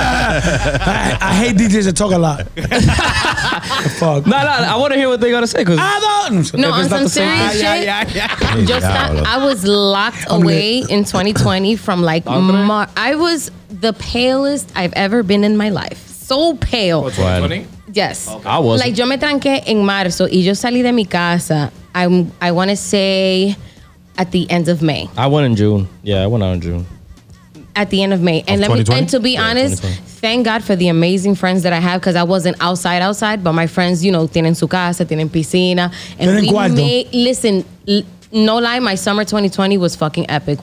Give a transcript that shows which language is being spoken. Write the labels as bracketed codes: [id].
[en] I hate DJs that talk a lot. Fuck. No, I want to hear what they got to say. Cause I don't. No, on some serious shit. I was locked away in 2020 from like I was the palest I've ever been in my life. So pale. What's yes. Okay. I was. [es] Like, yo me tranqué en marzo y yo salí de mi casa. [en] I want to say at the end of May. I went in June. Yeah, I went out in June. At the end of May. And of let 2020? Me and to be yeah, honest, thank God for the amazing friends that I have because I wasn't outside, but my friends, you know, [es] tienen su casa, tienen piscina. [en] And tienen we made, listen, no lie, my summer 2020 was fucking epic.